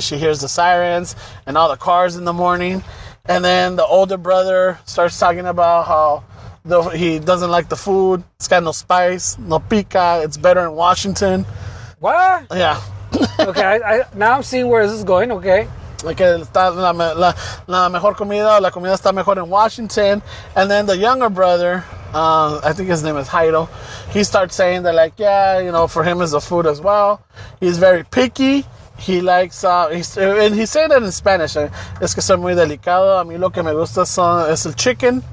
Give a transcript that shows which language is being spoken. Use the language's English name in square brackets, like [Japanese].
[English] She hears the sirens and all the cars in the morning. And then the older brother starts talking about how he doesn't like the food. It's got no spice, no pica. It's better in Washington. What? Yeah. Okay, now I'm seeing where this is going. Okay. [Spanish] Like, la mejor comida, la comida está mejor [English] in Washington. And then the younger brother... I think his name is Heido. He starts saying that, like, yeah, you know, for him is the food as well. He's very picky. He likes, and he's saying that in Spanish. [Spanish] Es que soy muy delicado. A mí lo que me gusta es el chicken.